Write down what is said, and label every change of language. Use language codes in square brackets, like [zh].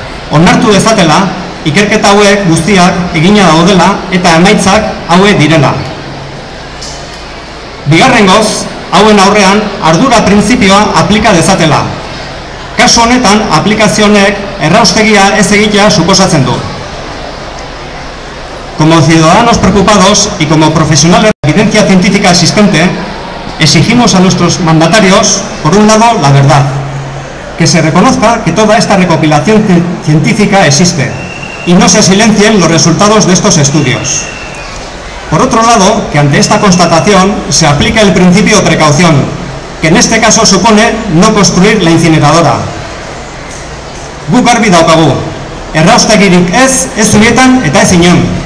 [eu] Onartu dezatela, ikerketa hauek guztiak egina daudela eta emaitzak haue direla. Bigarrengoz, hauen aurrean ardura printzipioa aplika dezatela. Kasu honetan, aplikazionek erraustegia ez egitea suposatzen du. [es] Como ciudadanos preocupados y como profesionales de la evidencia científica existente, exigimos a nuestros mandatarios, por un lado, la verdad. Que se reconozca que toda esta recopilación científica existe y no se silencien los resultados de estos estudios. Por otro lado, que ante esta constatación se aplique el principio de precaución, que en este caso supone no construir la incineradora. [eu] Gu garbi daukagu, erraustegirik ez, ez zubietan eta ez inon.